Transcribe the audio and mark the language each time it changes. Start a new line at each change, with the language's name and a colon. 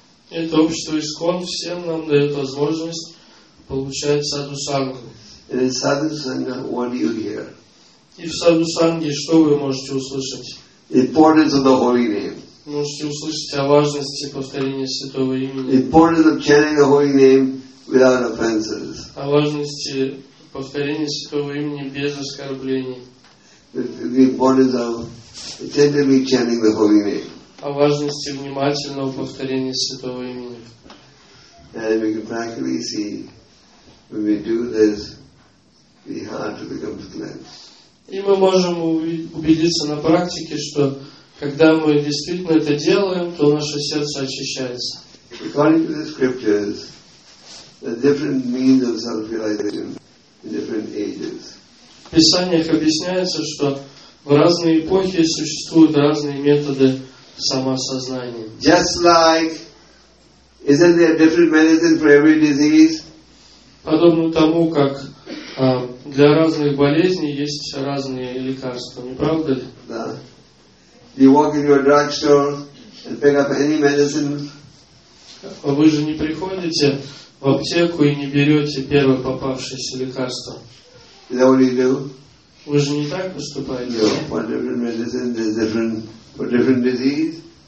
Russian: Это общество ИСКОН всем нам дает возможность получать Sadhu Sangha.
English: And in Sadhu Sangha, what do you hear?
Russian: И в Sadhu Sangha что вы можете услышать?
English: The importance of the holy name.
Russian: Можете услышать о важности повторения святого имени.
English: The importance of chanting the holy name without offenses.
Russian: О важности повторения святого имени без оскорблений.
English: The importance of attentively chanting the holy name.
Russian: О важности внимательного повторения святого имени.
English: And we can practically see when we do this, the heart becomes cleansed.
Russian: И мы можем убедиться на практике, что когда мы действительно это делаем, то наше сердце очищается.
English: According to the scriptures, there are different means of self-realization in different ages.
Russian: В писаниях объясняется, что в разные эпохи существуют разные методы самосознания.
English: Just like, isn't there different medicine for every disease?
Russian: подобно тому, как для разных болезней есть разные лекарства, не правда ли? Да.
English: You walk into a drugstore and pick up any medicine.
Russian: Вы же не приходите в аптеку и не берете первое попавшееся лекарство.
English: Is that what you do?
Russian: Вы же не так поступаете.
English: You look for different medicine, there's different for different disease.